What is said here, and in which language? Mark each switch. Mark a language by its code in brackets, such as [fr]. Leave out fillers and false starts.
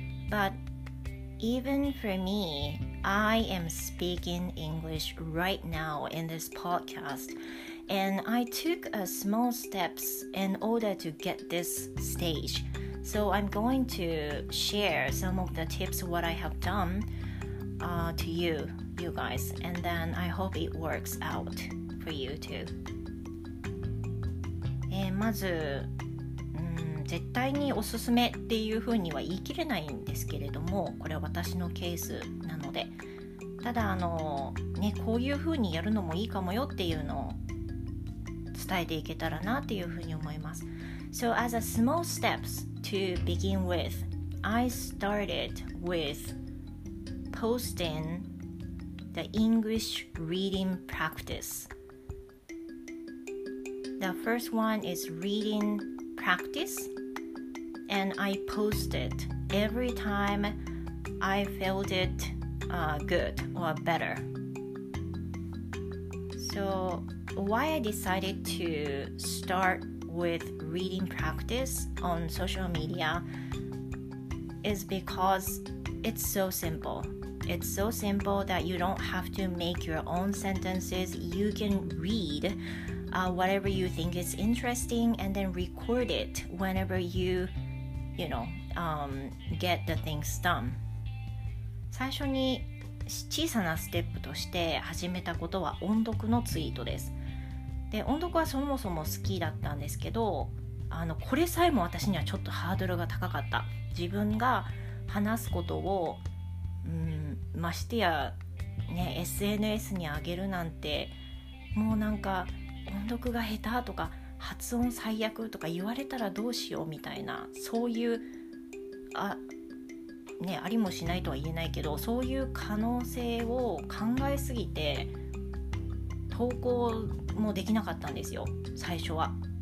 [en] But even for me, I am speaking English right now in this podcast, and I took a small steps in order to get this stage. So I'm going to share some of the tips what I have done to you guys, and then I hope it works out for you too. [ja] まず、絶対におすすめっていうふうには言い切れないんですけれども、これは私のケースなので、ただね、こういうふうにやるのもいいかもよっていうのを伝えていけたらなっていうふうに思います。 [en] So as a small steps to begin with, I started withposting the English reading practice. The first one is reading practice, and I post it every time I felt it good or better. So why I decided to start with reading practice on social media is because it's so simple. It's so simple that you don't have to make your own sentences. You can read whatever you think is interesting and then record it whenever you get the things done. [ja] 最初に小さなステップとして始めたことは音読のツイートです。で、音読はそもそも好きだったんですけど、これさえも私にはちょっとハードルが高かった。自分が話すことをましてや、ね、SNS に上げるなんて、もうなんか音読が下手とか発音最悪とか言われたらどうしようみたいな、そういう ね、ありもしないとは言えないけど、そういう可能性を考えすぎて投稿もできなかったんですよ、最初は。